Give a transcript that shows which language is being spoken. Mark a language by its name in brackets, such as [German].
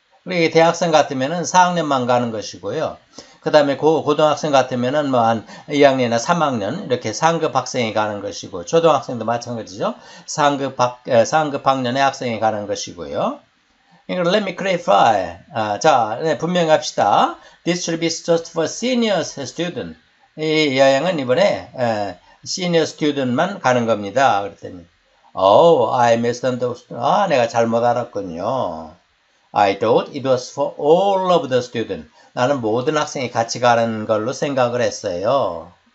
[Korean] 그리고 대학생 같으면은 4학년만 가는 것이고요. 그 다음에 고등학생 같으면은 뭐한 2학년이나 3학년 이렇게 상급 학생이 가는 것이고, 초등학생도 마찬가지죠. 상급 학년의 학생이 가는 것이고요. [English] Let me clarify. [Korean] 자, 네, 분명히 합시다. [English] This trip is just for seniors and students. [Korean] 이 여행은 이번에 senior student만 가는 겁니다. 그랬더니, [English] Oh, I misunderstood. [Korean] 아, 내가 잘못 알았군요. [English] I thought it was for all of the students. [Korean] 나는 모든 학생이 같이 가는 걸로 생각을 했어요.